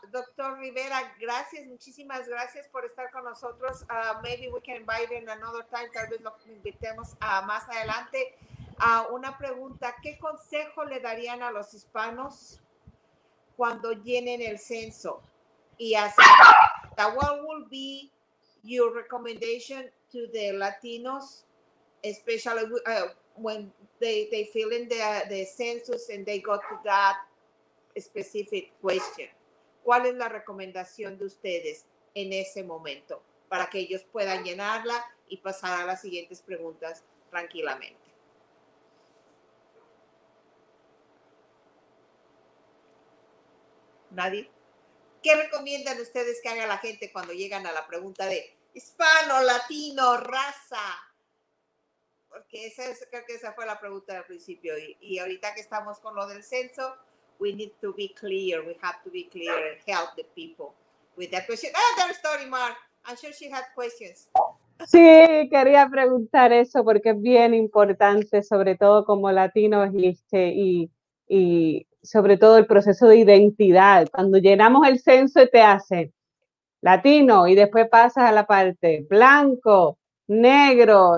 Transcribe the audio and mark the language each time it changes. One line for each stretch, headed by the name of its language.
Spanish: Doctor Rivera, gracias, muchísimas gracias por estar con nosotros.
English: Maybe we can invite him another time.
Spanish: Tal vez lo invitemos más adelante. Una pregunta, ¿qué consejo le darían a los hispanos cuando llenen el censo?
English: Yes. That what will be your recommendation to the Latinos, especially when they fill in the census and they go to that specific question?
Spanish: ¿Cuál es la recomendación de ustedes en ese momento para que ellos puedan llenarla y pasar a las siguientes preguntas tranquilamente? ¿Nadie? ¿Qué recomiendan ustedes que haga la gente cuando llegan a la pregunta de hispano, latino, raza? Porque esa es, creo que esa fue la pregunta del principio. Y ahorita que estamos con lo del censo,
English: we need to be clear. We have to be clear and help the people with that question. Another story, Mark. I'm sure she had questions.
Spanish: Sí, quería preguntar eso porque es bien importante, sobre todo como latinos y sobre todo el proceso de identidad. Cuando llenamos el censo te hacen latino y después pasas a la parte blanco, negro.